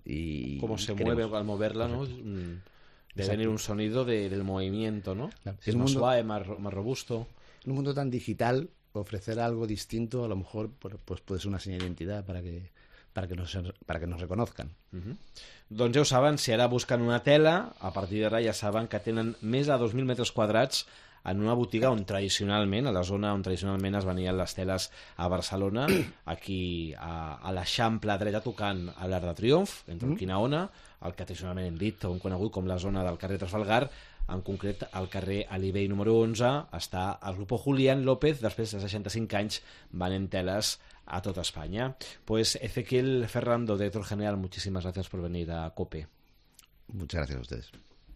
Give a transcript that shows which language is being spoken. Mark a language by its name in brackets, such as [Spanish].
[Spanish] Y cómo se mueve al moverla, correcto, ¿no? De venir un sonido del movimiento, ¿no? Claro. Es más mundo, suave, más robusto. En un mundo tan digital, ofrecer algo distinto, a lo mejor, pues puede ser una señal de identidad para que nos reconozcan. Uh-huh. [Catalan] Doncs ja ho saben, si ara busquen una tela, a partir d'ara ja saben que tenen més de 2.000 metres quadrats en una botiga on tradicionalment, a la zona on tradicionalment es venien les teles a Barcelona, aquí a l'Eixample, dreta tocant a l'Arc de Triomf, entre el Quinaona, el que tradicionalment hem dit, on conegut com la zona del carrer Trafalgar, en concret al carrer Alibey número 11, està el Grupo Julián López, després de 65 anys venent teles [Spanish] a toda España. Pues Ezequiel Ferrando, director general, muchísimas gracias por venir a COPE. Muchas gracias a ustedes.